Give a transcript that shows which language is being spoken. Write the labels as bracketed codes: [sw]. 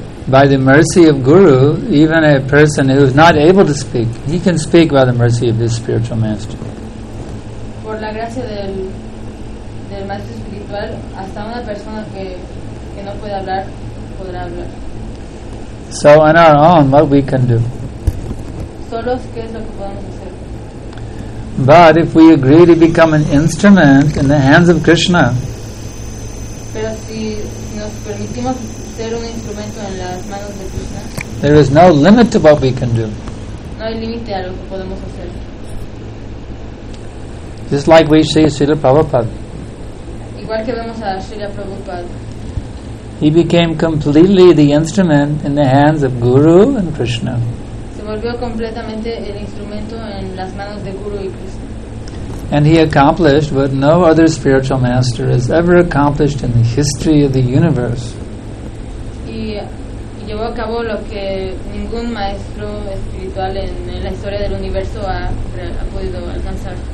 [en] By the mercy of Guru, even a person who is not able to speak, he can speak by the mercy of his spiritual master. [es] Por la gracia del maestro espiritual, hasta una persona que no puede hablar, podrá hablar. [en] So on our own, what we can do? [es] Solos, ¿qué es lo que podemos hacer? [en] But if we agree to become an instrument in the hands of Krishna, [es] pero si nos permitimos ser un instrumento en las manos de Krishna, [en] there is no limit to what we can do. [es] No hay límite a lo que podemos hacer. [en] Just like we see Srila Prabhupada. [es] Igual que vemos a Srila Prabhupada. [en] He became completely the instrument in the hands of Guru and Krishna. [es] Se volvió completamente el instrumento en las manos de Guru y Krishna. [en] And he accomplished what no other spiritual master has ever accomplished in the history of the universe. [es] Y llevó a cabo lo que ningún maestro espiritual en la historia del universo ha podido alcanzar.